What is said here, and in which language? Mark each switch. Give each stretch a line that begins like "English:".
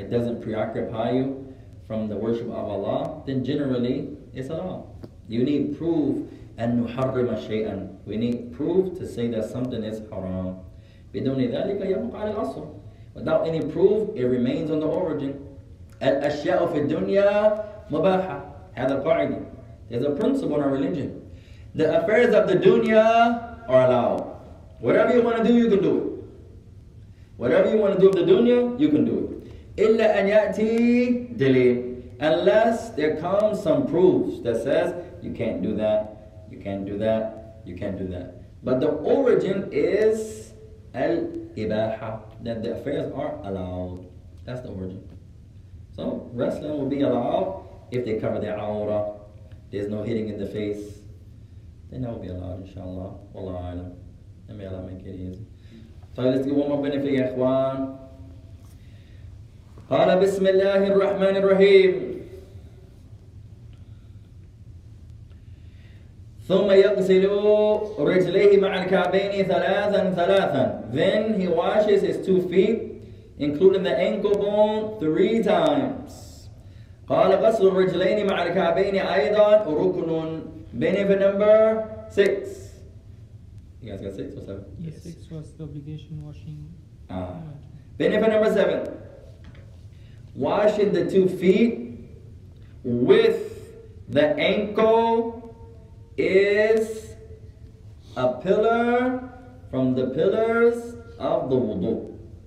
English: It doesn't preoccupy you from the worship of Allah. Then generally, it's haram. You need proof
Arabic: أن نحرم شيئا.
English: We need proof to say that something is haram.
Arabic: بدون ذلك يبقى على الأصل.
English: Without any proof, it remains on the origin.
Arabic: الأشياء في الدنيا مباحة. هذا قاعدة.
English: There's a principle in our religion. The affairs of the dunya are allowed. Whatever you want to do, you can do it. Whatever you want to do of the dunya, you can do it.
Arabic: إلا أن يأتي دليل.
English: Unless there comes some proof that says you can't do that, you can't do that, you can't do that. But the origin is الإباحة, that the affairs are allowed. That's the origin. So wrestling will be allowed if they cover their aura. There's no hitting in the face. Then that will be allowed, inshallah. Wallahu a'lam. And may Allah make it easy. So let's give one more benefit, ya ikhwan.
Arabic: قال بسم الله الرحمن الرحيم ثم يغسل رجليه مع الكعبين ثلاثا ثلاثا.
English: Then he washes his two feet, including the ankle bone, three times.
Arabic: قال غسل الرجلين مع الكعبين أيضا ركن.
English: Benefit number six. You guys got six or seven? Yes, six was the obligation washing. Benefit number seven. Washing the two feet with the ankle is a pillar from the pillars of the wudu.